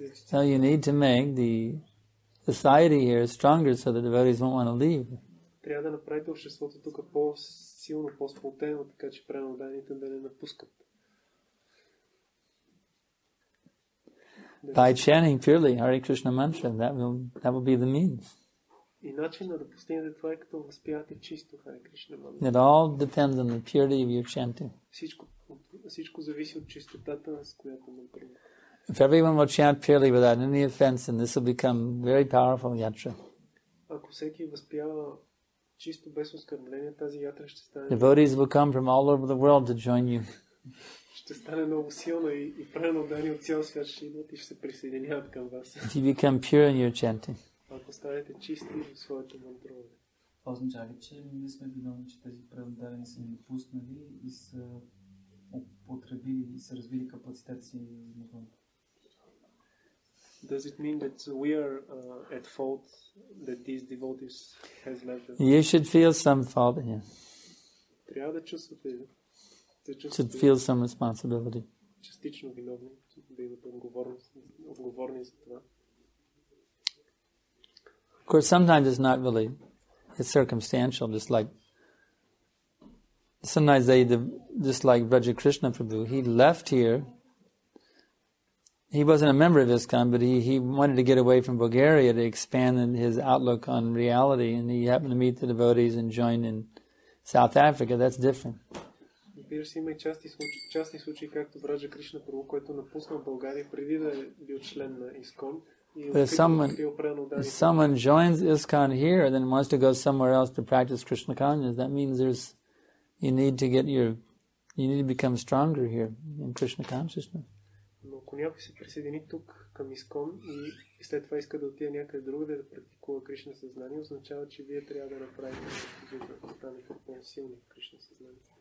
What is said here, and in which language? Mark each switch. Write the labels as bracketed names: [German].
[English] So you need to make the society here is stronger so the devotees won't want to leave. [Bulgarian] Трябва да направите обществото тук по-силно, по-сплотено, така че преданоотдадените да не напускат. [English] By chanting purely Hare Krishna mantra, that will be the means. [Bulgarian] И начинът да постигнете това е като възпявате чисто Hare Krishna mantra. [English] It all depends on the purity of your chanting. [Bulgarian] Всичко зависи от чистотата, с която мантрите. [English] If everyone will chant purely without any offense, then this will become very powerful yatra. [Bulgarian] Ако всеки възпява чисто без оскърбление, тази ятра ще стане. [English] Devotees will come from all over the world to join you. [Bulgarian] Ще стане много силно и преданоотдадени от цял свят ще идват и ще се присъединяват към вас. [English] If you become pure in your chanting. [Bulgarian] Ако станете чисти в своето мантрове. Означава, че ние сме виновни, че тези преданоотдадени са ни напуснали и са употребили и са развили капацитет си навън. [English] Does it mean that we are at fault that these devotees has left them? You should feel some fault, yes. [Bulgarian] Трябва да чувствате. [English] Should feel some responsibility. [Bulgarian] Частично виновни, да имат отговорни за това. [English] Of course, sometimes it's not really, it's circumstantial, just like sometimes they, just like Vraja Krishna Prabhu, he left here. He wasn't a member of ISKCON, but he wanted to get away from Bulgaria to expand his outlook on reality, and he happened to meet the devotees and join in South Africa. That's different. [Bulgarian] Има и частни случаи, както Враджа Кришна Прабху, който напуснал България преди да бил член на ISKCON. [English] But if someone joins ISKCON here and then wants to go somewhere else to practice Krishna consciousness, that means you need to become stronger here in Krishna consciousness. [Bulgarian] Но ако някой се присъедини тук към ИСКОН и след това иска да отиде някъде другаде да практикува Кришна съзнание, означава, че вие трябва да направите да станете по-силни Кришна съзнание.